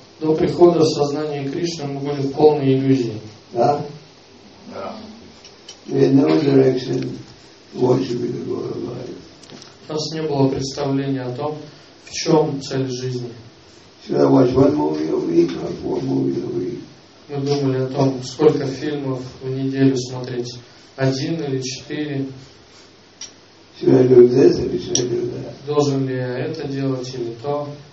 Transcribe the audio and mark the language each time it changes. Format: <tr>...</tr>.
<ru>До прихода в сознание Кришны мы были в полной иллюзии. Да? Да.</ru> <en>We had no direction what should be the goal of life.</en> <ru>У нас не было представления о том, в чем цель жизни.</ru> <en>Should I watch one movie a week or four movies a week?</en> <ru>Мы думали о том, сколько фильмов в неделю смотреть. Один или четыре.</ru> <en>Should I do this or should I do that?</en> <ru>Должен ли я это делать или то?</ru>